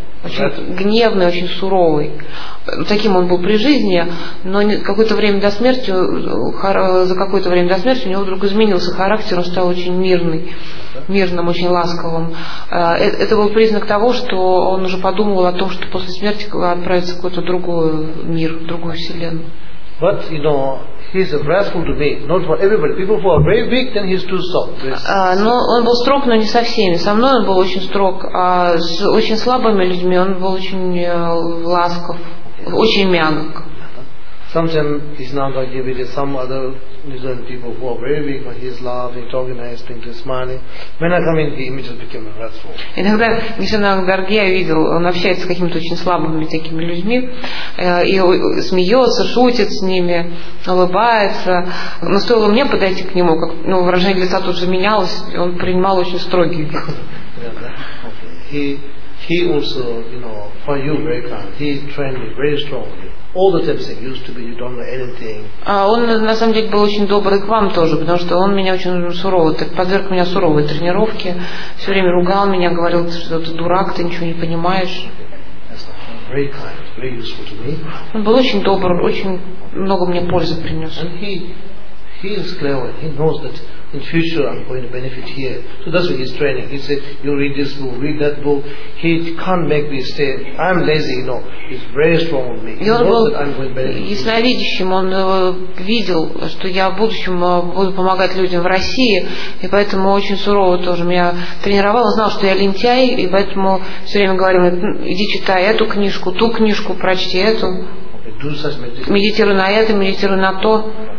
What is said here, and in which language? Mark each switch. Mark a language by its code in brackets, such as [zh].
[ru] очень гневный, очень суровый. Таким он был при жизни, но какое-то время до смерти, за какое-то время до смерти у него вдруг изменился характер, он стал очень мирным, очень ласковым. Это был признак того, что он уже подумывал о том, что после смерти отправится в какой-то другой мир, в другую вселенную. [en] But, you know, he's wrathful to me, not for everybody. People who are very weak, then he's too soft. [ru] Но он был строг, но не со всеми. Со мной он был очень строг, а с очень слабыми людьми он был очень ласков, очень мягок. [en] Sometimes he's not like with some other different people who are very weak, but he's laughing, talking nice, thinking, smiling. When I come in, he immediately became wrathful. [ru] Иногда, несмотря на Гаргия, я видел, он общается с какими-то очень слабыми такими людьми, и смеется, шутит с ними, улыбается. Но стоило мне подойти к нему, как выражение лица тут же менялось, он принимал очень строгий вид. [en] He also, you know, for you very kind. He trained me very strongly. All the times it used to be, you don't know anything. [ru] Он на самом деле был очень добрый к вам тоже, потому что он меня очень сурово, подверг меня суровой тренировке, все время ругал меня, говорил, что ты дурак, ты ничего не понимаешь. [en] Very kind, very useful to me. [ru] Он был очень добрым, очень много мне пользы принес. [en] And he is clever. He knows that in future I'm going to benefit here. So that's what he's training. He said, you read this book, read that book. He can't make me stay. I'm lazy, you know. He's very strong with me. He knows that I'm going to benefit. [ru] Ясновидящим, он видел, что я в будущем буду помогать людям в России, и поэтому очень сурово тоже меня тренировал. Он знал, что я лентяй, и поэтому все время говорил, иди читай эту книжку, прочти эту. Медитируй на это, медитируй на то.